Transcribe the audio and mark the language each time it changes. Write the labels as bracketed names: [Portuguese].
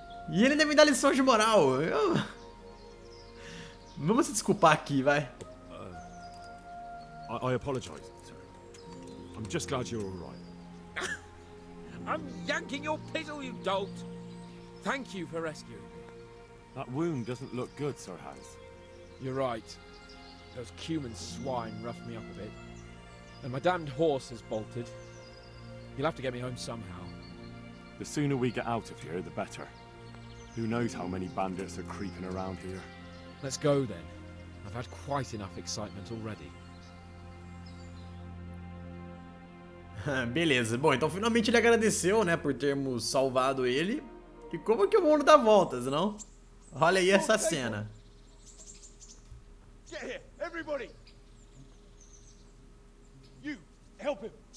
[Portuguese] E ele ainda me dá lição de moral. Vamos se desculpar aqui, vai. [English] I apologize. I'm just glad you're all right. I'm yanking your pizzle, you dolt. Thank you for rescuing me. That wound doesn't look good, Sir Haz. You're right. Those cuman swine roughed me up a bit. And my damned horse has bolted. You'll have to get me home somehow. The sooner we get out of here, the better. Who knows how many bandits are creeping around here? Let's go then. I've had quite enough excitement already. [Portuguese] Beleza. Bom, então finalmente ele agradeceu, né, por termos salvado ele. E como que o mundo dá voltas, não? Olha aí essa cena. [English] Get here, everybody. You, help him.